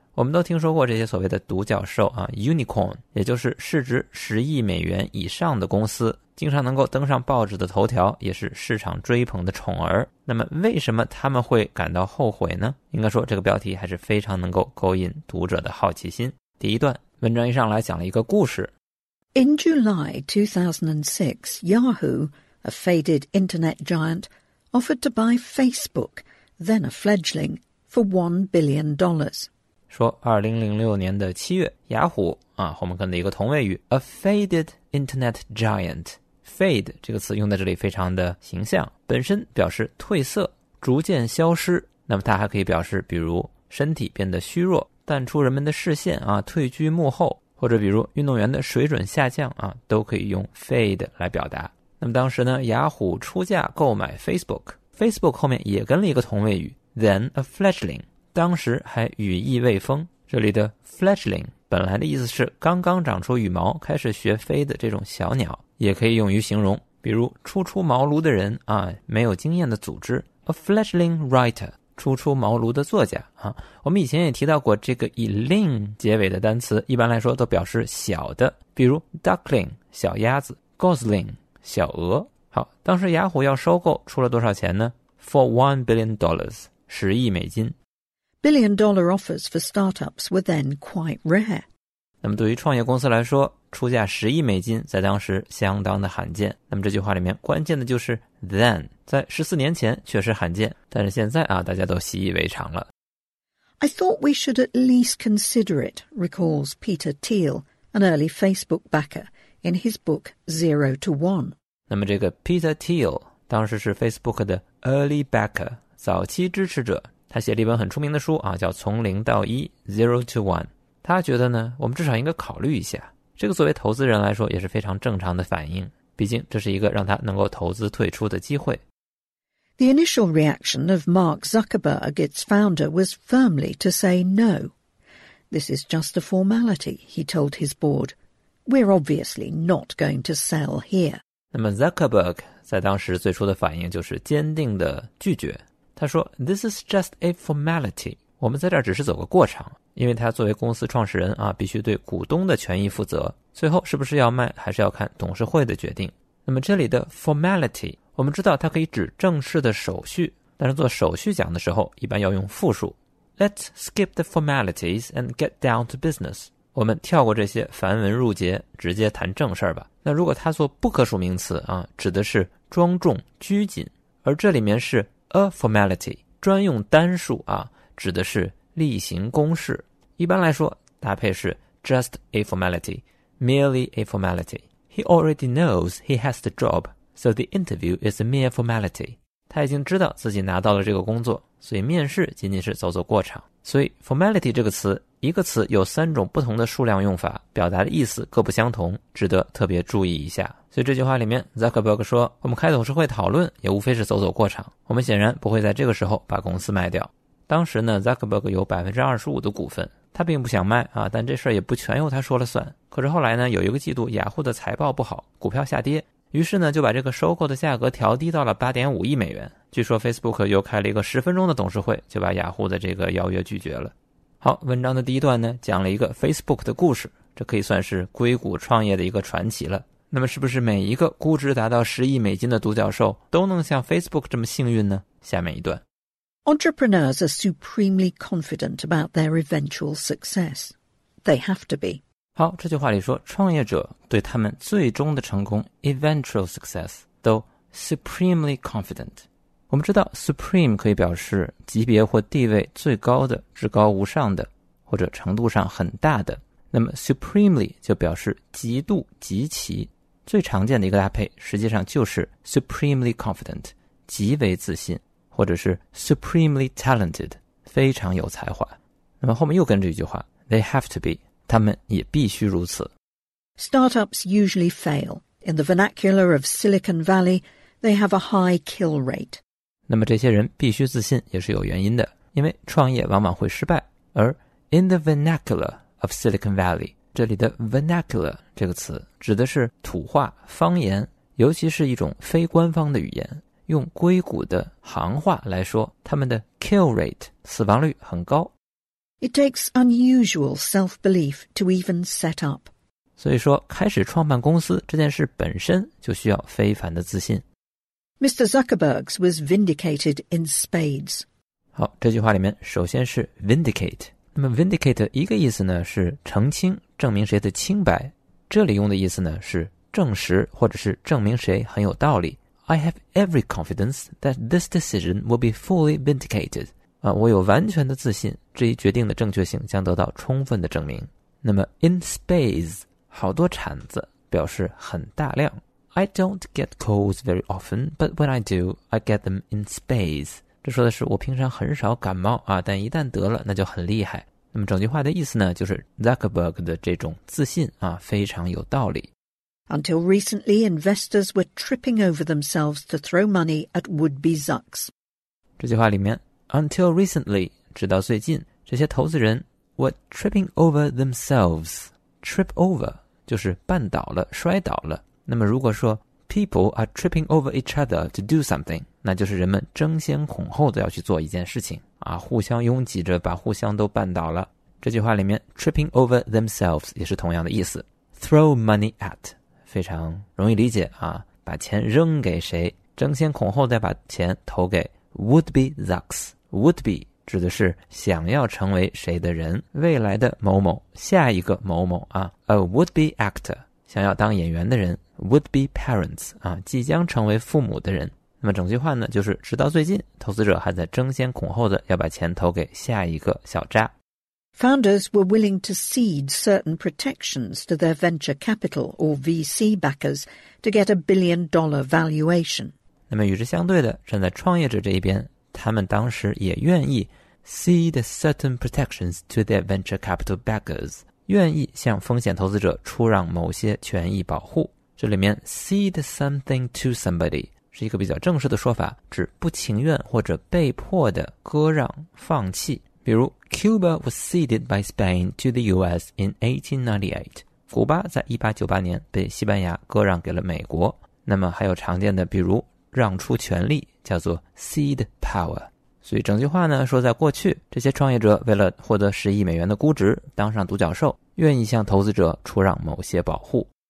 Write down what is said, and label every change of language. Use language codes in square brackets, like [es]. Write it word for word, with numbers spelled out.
[zh] 我们都听说过这些所谓的独角兽啊 unicorn， 也就是市值十亿美元以上的公司，经常能够登上报纸的头条，也是市场追捧的宠儿。那么为什么他们会感到后悔呢？应该说这个标题还是非常能够勾引读者的好奇心。第一段，文章一上来讲了一个故事。 [en] In July two thousand six, Yahoo, a faded internet giant, offered to buy Facebook, then a fledgling, for one billion dollars. [zh] 说二零零六年的七月，雅虎啊后面跟的一个同位语 [en] A faded internet giant， [zh] fade 这个词用在这里非常的形象，本身表示褪色，逐渐消失。那么它还可以表示比如身体变得虚弱，淡出人们的视线啊，退居幕后，或者比如运动员的水准下降啊，都可以用 fade 来表达。那么当时呢，雅虎出价购买 Facebook， Facebook 后面也跟了一个同位语 [en] then a fledgling， [zh] 当时还羽翼未丰。这里的 fledgling 本来的意思是刚刚长出羽毛开始学飞的这种小鸟，也可以用于形容比如初出茅庐的人啊，没有经验的组织 [en] a fledgling writer， [zh] 初出茅庐的作家啊。我们以前也提到过，这个以 ling 结尾的单词一般来说都表示小的，比如 duckling 小鸭子， gosling 小鹅。好，当时雅虎要收购出了多少钱呢？ [en] for one billion dollars， [zh] 十亿美金。 [en] Billion-dollar offers for startups were then quite rare. [zh] 那么对于创业公司来说，出价十亿美金在当时相当的罕见。那么这句话里面关键的就是 then， 在十四年前确实罕见，但是现在啊，大家都习以为常了。 [en] I thought we should at least consider it, recalls Peter Thiel, an early Facebook backer, in his book Zero to One. [zh] 那么这个 Peter Thiel 当时是 Facebook 的 [en] early backer， [zh] 早期支持者。他写了一本很出名的书啊，叫从零到一 ,zero to one。他觉得呢，我们至少应该考虑一下。这个作为投资人来说也是非常正常的反应，毕竟这是一个让他能够投资退出的机会。 [en] The initial reaction of Mark Zuckerberg, its founder, was firmly to say no. This is just a formality, he told his board. We're obviously not going to sell here. [zh] 那么 Zuckerberg 在当时最初的反应就是坚定的拒绝。他说 [en] This is just a formality. [zh] 我们在这儿只是走个过场。因为他作为公司创始人啊，必须对股东的权益负责。最后是不是要卖还是要看董事会的决定。那么这里的 formality 我们知道它可以指正式的手续，但是做手续讲的时候一般要用复数。 [en] Let's skip the formalities and get down to business. [zh] 我们跳过这些繁文缛节，直接谈正事儿吧。那如果它做不可数名词啊，指的是庄重拘谨，而这里面是 a formality 专用单数啊，指的是例行公事。一般来说搭配是 [en] just a formality, merely a formality. He already knows he has the job, so the interview is a mere formality. [zh] 他已经知道自己拿到了这个工作，所以面试仅仅是走走过场。所以 formality 这个词，一个词有三种不同的数量用法，表达的意思各不相同，值得特别注意一下。所以这句话里面 Zuckerberg 说，我们开董事会讨论也无非是走走过场，我们显然不会在这个时候把公司卖掉。当时呢 Zuckerberg 有 百分之二十五 的股份，他并不想卖啊，但这事儿也不全由他说了算。可是后来呢，有一个季度雅虎的财报不好，股票下跌，于是呢就把这个收购的价格调低到了 八点五亿美元。据说 Facebook 又开了一个十分钟的董事会，就把雅虎的这个邀约拒绝了。好，文章的第一段呢讲了一个 Facebook 的故事，这可以算是硅谷创业的一个传奇了。那么是不是每一个估值达到十亿美金的独角兽都能像 Facebook 这么幸运呢？下面一段。 [en] Entrepreneurs are supremely confident about their eventual success. They have to be. [zh] 好，这句话里说，创业者对他们最终的成功 [en] eventual success [zh] 都 [en] supremely confident。 [zh] 我们知道 supreme 可以表示级别或地位最高的、至高无上的，或者程度上很大的。那么 supremely 就表示极度、极其。最常见的一个搭配实际上就是 [en] supremely confident， [zh] 极为自信。或者是 [en] supremely talented， [zh] 非常有才华。那么后面又跟着一句话 [en] they have to be， [zh] 他们也必须如此。 [en] Startups usually fail. In the vernacular of Silicon Valley, they have a high kill rate. [zh] 那么这些人必须自信也是有原因的，因为创业往往会失败。而 [en] in the vernacular of Silicon Valley， [zh] 这里的 vernacular 这个词指的是土话、方言，尤其是一种非官方的语言。用硅谷的行话来说，他们的 kill rate 死亡率很高。 [en] It takes unusual self-belief to even set up. [zh] 所以说，开始创办公司这件事本身就需要非凡的自信。 [en] Mister Zuckerberg's was vindicated in spades. [zh] 好，这句话里面首先是 vindicate。那么 vindicate 一个意思呢是澄清，证明谁的清白。这里用的意思呢是证实或者是证明谁很有道理。 [en] I have every confidence that this decision will be fully vindicated. [zh] 啊，我有完全的自信，这一决定的正确性将得到充分的证明。那么 [en] in spades [zh] 好多铲子表示很大量。 [en] I don't get colds very often, but when I do, I get them in spades. [zh] 这说的是我平常很少感冒啊，但一旦得了那就很厉害。那么整句话的意思呢，就是 Zuckerberg 的这种自信啊，非常有道理。 [en] Until recently, investors were tripping over themselves to throw money at would-be Zucks. [zh] 这句话里面 [en] until recently [zh] 直到最近，这些投资人 [en] were tripping over themselves. [zh] Trip over 就是绊倒了、摔倒了。那么如果说 [en] people are tripping over each other to do something， [zh] 那就是人们争先恐后的要去做一件事情啊，互相拥挤着把互相都绊倒了。这句话里面 [en] tripping over themselves [zh] 也是同样的意思。 [en] Throw money at [zh] 非常容易理解啊，把钱扔给谁，争先恐后再把钱投给 [en] would-be Zucks。 [zh] would-be 指的是想要成为谁的人，未来的某某，下一个某某啊。 [en] A would-be actor [zh] 想要当演员的人， [en] would-be parents [zh] 啊，即将成为父母的人。那么整句话呢就是直到最近，投资者还在争先恐后的要把钱投给下一个小渣。 [en] Founders were willing to cede certain protections to their venture capital or V C backers to get a billion dollar valuation. [zh] 那么与之相对的，站在创业者这一边，他们当时也愿意 [en] cede certain protections to their venture capital backers， [zh] 愿意向风险投资者出让某些权益保护。这里面 [en] cede something to somebody [zh] 是一个比较正式的说法，指不情愿或者被迫的割让、放弃。比如 [en] Cuba was ceded by Spain to the U S in eighteen ninety-eight. [zh] 古巴在一八九八年被西班牙割让给了美国。那么还有常见的比如让出权力，叫做 [en] cede power。 [zh] 所以整句话呢说，在过去这些创业者为了获得十亿美元的估值，当上独角兽，愿意向投资者出让某些保护。